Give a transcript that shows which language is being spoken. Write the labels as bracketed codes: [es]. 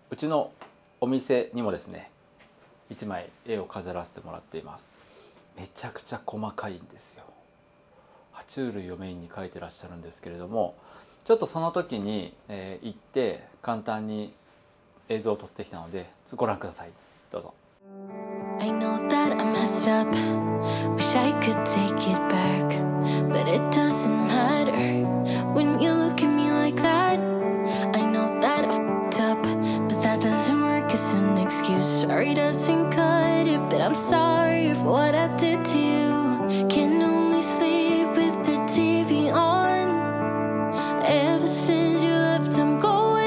[ja] うちのお店にもですね1枚絵を飾らせてもらっています。めちゃくちゃ細かいんですよ。爬虫類をメインに描いてらっしゃるんですけれども、ちょっとその時に、行って簡単に映像を撮ってきたのでご覧ください。どうぞ。 [en] I know that I messed up. Wish I could take it back. But it doesn't matter when you look at me like that. I know that I fucked up. But that doesn't work as an excuse. Sorry doesn't cut it. But I'm sorry for what I did to you. Can only sleep with the TV on. Ever since you left, I'm gone